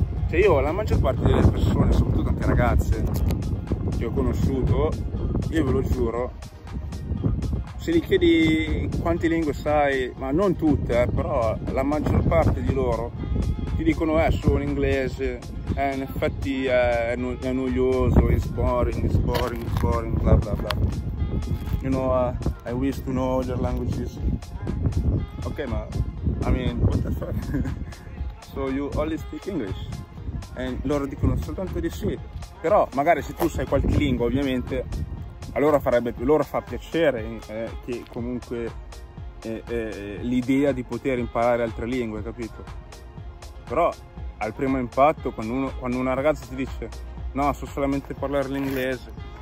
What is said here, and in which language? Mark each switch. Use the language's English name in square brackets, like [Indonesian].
[Italian] Cioè io, la maggior parte delle persone, soprattutto tante ragazze che ho conosciuto, io ve lo giuro, se li chiedi quante lingue sai, ma non tutte, però la maggior parte di loro ti dicono solo l'inglese. In effetti è noioso, it's boring, bla bla bla. [English] You know, I wish to know other languages. Ok, ma, I mean, what the fuck? So you only speak English? [Italian] E loro dicono soltanto di sì. Però magari se tu sai qualche lingua, ovviamente, allora farebbe più, loro fa piacere che comunque l'idea di poter imparare altre lingue, capito? Però al primo impatto, quando una ragazza ti dice no, so solamente parlare l'inglese.